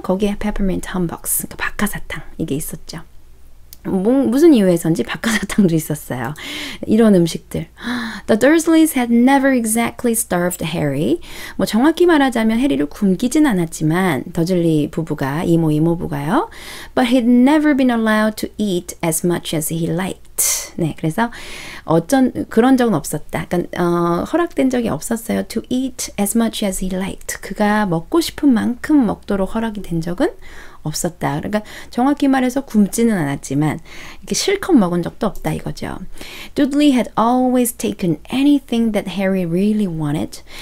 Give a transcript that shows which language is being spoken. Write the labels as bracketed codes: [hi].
[ko] 거기에 Peppermint Hamburg. 그러니까 박하사탕. 이게 있었죠. 뭐, 무슨 이유에선지 박하사탕도 있었어요. 이런 음식들. [en] The Dursleys had never exactly starved Harry. [ko] 뭐 정확히 말하자면 해리를 굶기진 않았지만 더즐리 부부가, 이모 이모부가요. [en] But he'd never been allowed to eat as much as he liked. [ko] 네, 그래서 어쩐 그런 적은 없었다. 그러니까 허락된 적이 없었어요. [en] To eat as much as he liked. [ko] 그가 먹고 싶은 만큼 먹도록 허락이 된 적은 없었다. 그러니까 정확히 말해서 굶지는 않았지만 이렇게 실컷 먹은 적도 없다 이거죠. [en] Dudley had always taken anything that Harry really wanted.